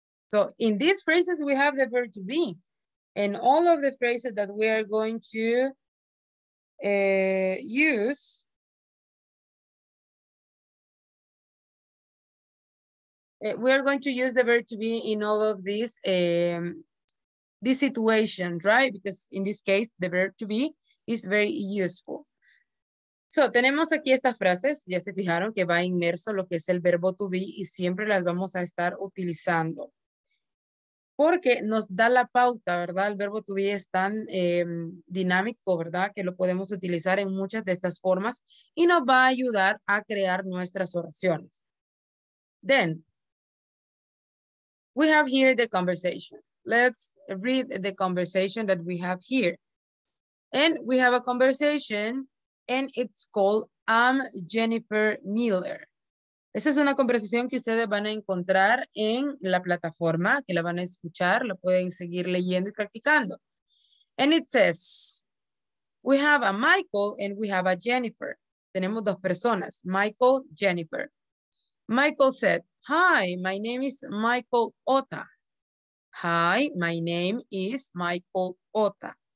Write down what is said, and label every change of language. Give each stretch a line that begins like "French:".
English: So in these phrases, we have the verb to be. And all of the phrases that we are going to use, we are going to use the verb to be in all of these this situation, right? Because in this case, the verb to be is very useful.
Spanish: So, tenemos aquí estas frases. Ya se fijaron que va inmerso lo que es el verbo to be y siempre las vamos a estar utilizando. Porque nos da la pauta, ¿verdad? El verbo to be es tan dinámico, ¿verdad? Que lo podemos utilizar en muchas de estas formas y nos va a ayudar a crear nuestras oraciones.
English: Then, we have here the conversation. Let's read the conversation that we have here. And we have a conversation and it's called I'm Jennifer Miller.
Spanish: Esa es una conversación que ustedes van a encontrar en la plataforma, que la van a escuchar, la pueden seguir leyendo y practicando.
English: And it says, we have a Michael and we have a Jennifer.
Spanish: Tenemos dos personas, Michael, Jennifer. Michael said,
English: hi, my name is Michael Ota. Hi, my name is Michael Ota.